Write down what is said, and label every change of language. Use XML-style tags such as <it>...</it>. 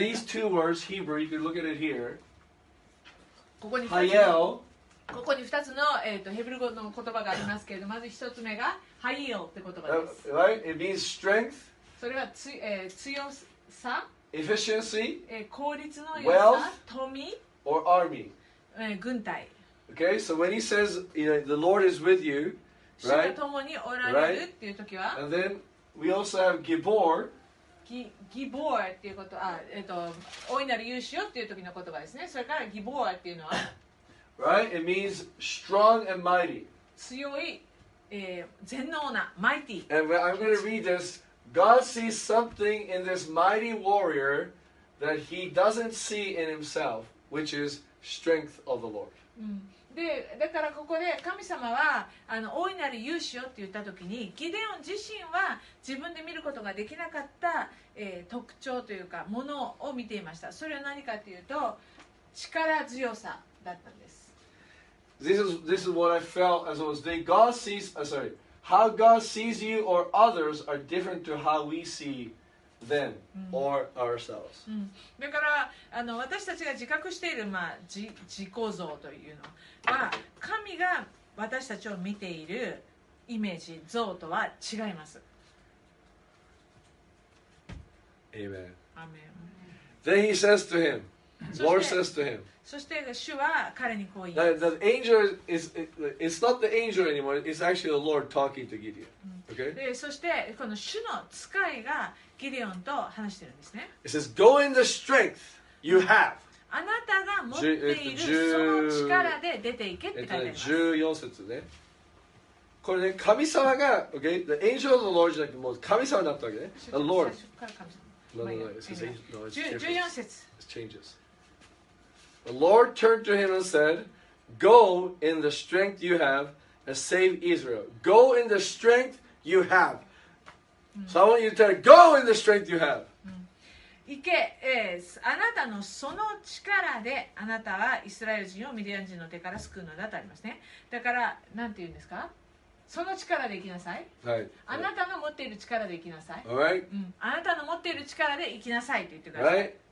<en>But then these two words, Hebrew, you can look at it here.</en> <ja>ここに2つの、Hayel. ここに2つの、ヘブル語の言葉がありますけれども、まず1つ目が Hayel って言葉です。</ja> <en>Right? It means strength.</en> <ja>それはつ、強さ。</ja> <en>Efficiency.</en> <ja>効率の良さ。</ja> <en>Wealth.</en> <ja>富。</ja> <en>Or army.</en> <ja>軍隊。</ja> <en>Okay, so when he says, you know, the Lord is with you, Right?</en> <ja>主が共におられるっていう時は、</ja> <en>And then we also have Gibor.</en> <ja>Gibor っていうこと、あ、大いなる勇士よっていう時の言葉ですね。それから Gibor っていうのは、</ja> <en>Right? It means strong and mighty.</en> <ja>強い、全能な、mighty.</ja> <en>And I'm going to read this. God sees something in this mighty warrior that he doesn't see in himself, which is strength of the Lord.</en> <ja>でだからここで神様はあの大いなる勇士よって言った時にギデオン自身は自分で見ることができなかった、特徴というかものを見ていました。それは何かというと力強さだったんです。</ja> <en>This is what I felt as I was saying God sees, sorry, how God sees you or others are different to how we seeThen, or ourselves.</en> <ja>だからあの私たちが自覚している、まあ、自己像というのは神が私たちを見ているイメージ像とは違います。</ja> <en>Amen. Amen. Then he says to him, Lord says to him.</en> <ja>そして主は彼にこう言います</ja> <en>。 The angel is not the angel anymore. It's actually the Lord talking to Gideon. Okay?</en> <ja>でそしてこの主の使いがギデオンと話してるんですね。</ja> <en>It says, Go in the strength you have.</en> <ja>あなたが持っているその力で出ていけって書いてあります。 14節ね。これね、神様が、okay?</ja> <en>The angel of the Lord</en> <ja>じゃなくて、もう神様になったわけね。</ja> <en>The Lord.</en> <ja>最初から神様。14節。</ja> <en>It changes. The Lord turned to him and said, Go in the strength you have and save Israel. Go in the strength you have. So I want you to tell you, go in the strength you have.</en> <ja>行け、あなたのその力であなたはイスラエル人をミディアン人の手から救うのだとありますね。だから、なんて言うんですか？その力で行きなさい。はい。あなたの持っている力で行きなさい。</ja> <en>All right.</en> <ja>あなたの持っている力で行きなさいと言ってください。</ja>